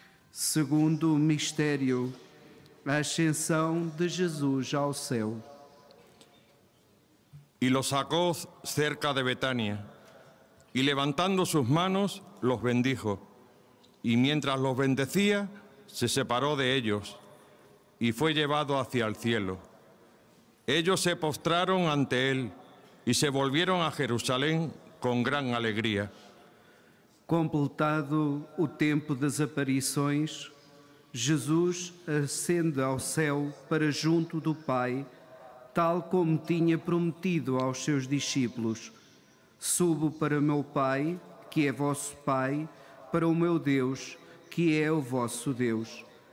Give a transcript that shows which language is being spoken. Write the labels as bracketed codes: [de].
[pt] Segundo mistério, a ascensão de Jesus ao céu. [es] Y los sacó cerca de Betania, y levantando sus manos, los bendijo. Y mientras los bendecía, se separó de ellos, y fue llevado hacia el cielo. Ellos se postraron ante él, y se volvieron a Jerusalén con gran alegría. [pt] Completado o tempo das aparições, Jesus ascende ao céu para junto do Pai, tal como tinha prometido aos seus discípulos. Subo para meu Pai, que é vosso Pai, para o meu Deus, que é o vosso Deus.